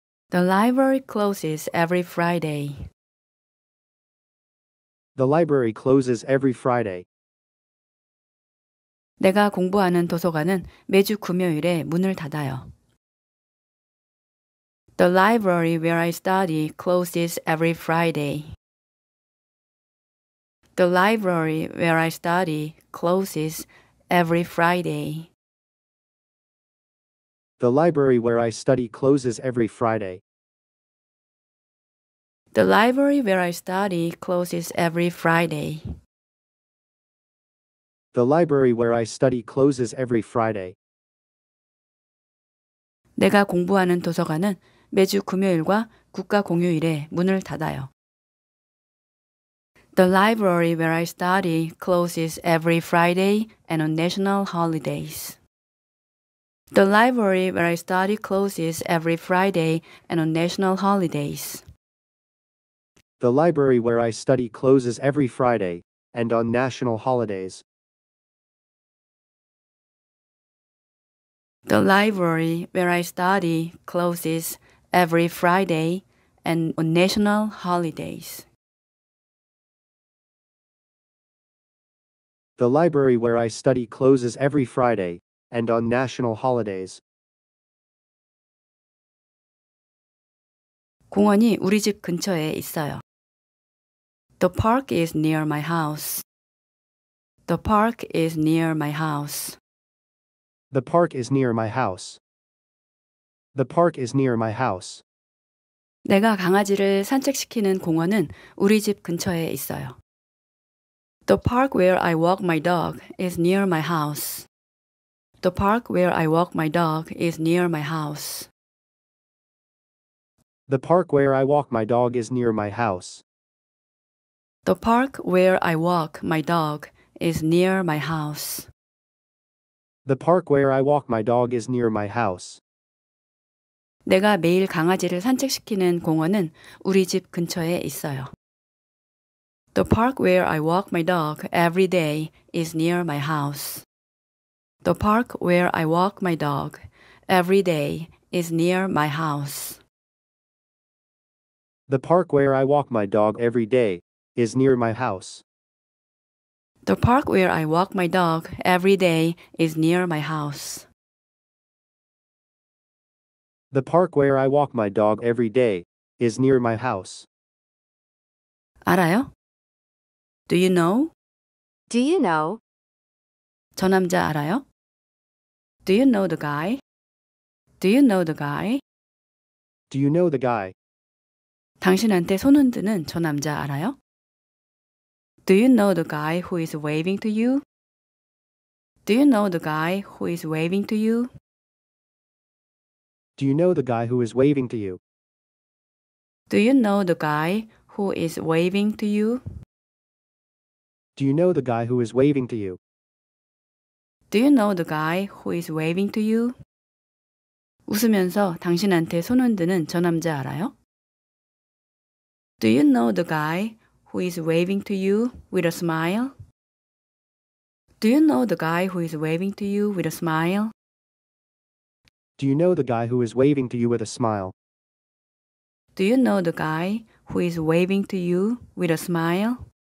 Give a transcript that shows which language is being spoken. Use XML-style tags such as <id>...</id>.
<en>The library closes every Friday. The library closes every Friday.</en> <ko>내가 공부하는 도서관은 매주 금요일에 문을 닫아요.</ko> <en>The library where I study closes every Friday. The library where I study closes every Friday. The library where I study closes every Friday. The library where I study closes every Friday. The library where I study closes every Friday.</en> <ko>내가 공부하는 도서관은 매주 금요일과 국가 공휴일에 문을 닫아요.</ko> <en>The library where I study closes every Friday and on national holidays. The library where I study closes every Friday and on national holidays. The library where I study closes every Friday and on national holidays. The library where I study closes every Friday and on national holidays. The library where I study closes every Friday and on national holidays.</en> <ko>공원이 우리 집 근처에 있어요.</ko> <en>The park is near my house. The park is near my house. The park is near my house. The park is near my house.</en> <ko>내가 강아지를 산책시키는 공원은 우리 집 근처에 있어요.</ko> <en>The park where I walk my dog is near my house. The park where I walk my dog is near my house. The park where I walk my dog is near my house. The park where I walk my dog is near my house. The park where I walk my dog is near my house.</en> <ko>내가 매일 강아지를 산책시키는 공원은 우리 집 근처에 있어요.</ko> <en>The park where I walk my dog every day is near my house. The park where I walk my dog every day is near my house. The park where I walk my dog every day is near my house. The park where I walk my dog every day is near my house. The park where I walk my dog every day is near my house.</en> <ko>알아요?</ko> <en>Do you know? Do you know?</en> <ko>저 남자 알아요?</ko> <en>Do you know the guy? Do you know the guy? Do you know the guy?</en> <ko>당신한테 손 흔드는 저 남자 알아요?</ko> <en>Do you know the guy who is waving to you? Do you know the guy who is waving to you? Do you know the guy who is waving to you? Do you know the guy who is waving to you? Do you know the guy who is waving to you? Do you know the guy who is waving to you?</en> <ko>웃으면서 당신한테 손 흔드는 저 남자 알아요?</ko> <en>Do you know the guy who is waving to you with a smile? Do you know the guy who is waving to you with a smile? Do you know the guy who is waving to you with a smile? Do you know the guy who is waving to you with a smile?</en>